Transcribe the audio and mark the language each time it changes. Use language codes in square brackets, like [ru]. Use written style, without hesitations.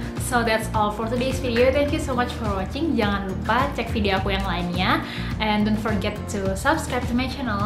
[en] So that's all for today's video. Thank you so much for watching. [id] Jangan lupa cek video aku yang lainnya. [en] And don't forget to subscribe to my channel.